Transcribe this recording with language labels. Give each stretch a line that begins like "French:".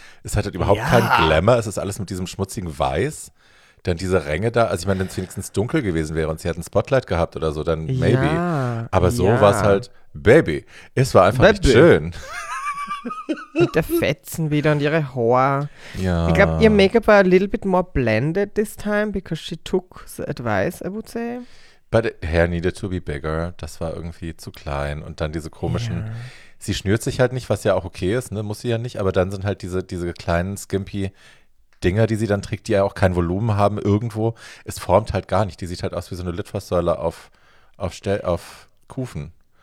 German: Es hat halt überhaupt keinen Glamour. Es ist alles mit diesem schmutzigen Weiß. Dann diese Ränge da, also ich meine, wenn es wenigstens dunkel gewesen wäre und sie hätten Spotlight gehabt oder so, dann
English: maybe.
German: Ja, aber so war es halt, Baby, es war einfach nicht schön. Mit der Fetzen wieder und ihre Haare. Ja. Ich glaube, ihr Make-up war
English: a little bit more blended this time, because she took the advice, I would say. But it, hair needed to be bigger.
German: Das war irgendwie zu klein. Und dann diese komischen, sie schnürt sich halt nicht, was ja auch okay ist, ne, muss sie ja nicht. Aber dann sind halt diese kleinen skimpy Dinger, die sie dann trägt, die ja auch kein Volumen haben irgendwo. Es formt halt gar nicht. Die sieht halt aus wie so eine Litfaßsäule auf Kufen.